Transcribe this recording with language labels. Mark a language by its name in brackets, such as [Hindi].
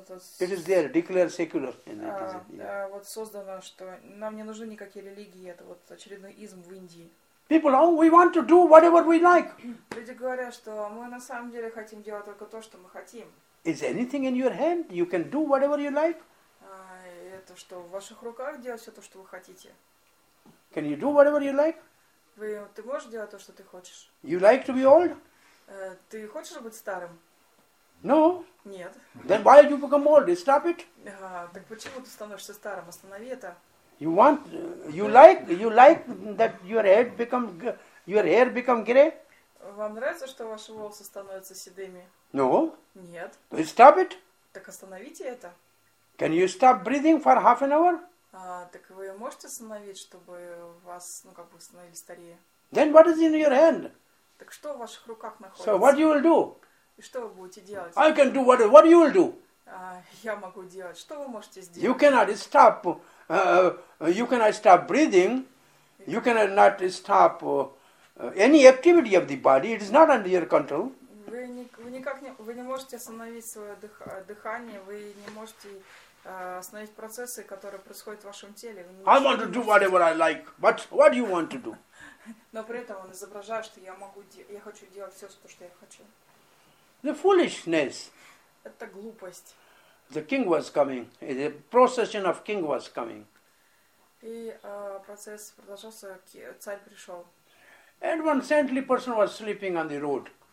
[English] It is there, declared secular. [Russian] Вот создано, что нам не нужны никакие религии, это вот очередной изм в Индии. [English] People, oh, we want to do whatever we like. [Russian] Люди говорят, что мы на самом деле хотим делать только то, что мы хотим. [English] Is anything in your hand? You can do whatever you like. [Russian] Это что, в ваших руках делать все то, что вы хотите? [English] Can you do whatever you like? [Russian] Ты можешь делать то, что ты хочешь? [English] You like to be old? [Russian] Ты хочешь быть старым? [English] No. [Russian] Нет. [English] Then why you become old? Stop it. [Russian] Так почему ты становишься старым? Останови это. [English] You want, you like that your hair become gray? [Russian] Вам нравится, что ваши волосы становятся седыми? [English] No. [Russian] Нет. [English] So stop it. [Russian] Так остановите это. [English] Can you stop breathing for half an hour? [Russian] Так вы можете остановить, чтобы вас, ну как бы, становили старее? [English] Then what is in your hand? [Russian] Так что в ваших руках находится? [English] So what you will do? [Russian] И что вы будете делать? [English] I can do what you will do? [Russian] Я могу делать. Что вы можете сделать? [English] You cannot stop. You cannot stop breathing. You cannot stop any activity of the body. It is not under your control. [Russian] Вы не можете остановить свое дыхание. Вы не можете остановить процессы, которые происходят в вашем теле. [English] I want to do whatever I like. But what do you want to do? [Russian] Но при этом он изображает, что я хочу делать все, что я хочу. [English] The foolishness. [Russian] Это глупость. [English] The king was coming. The procession of king was coming. [Russian] И процесс продолжался, царь пришел. [English] And one saintly person was sleeping on the road.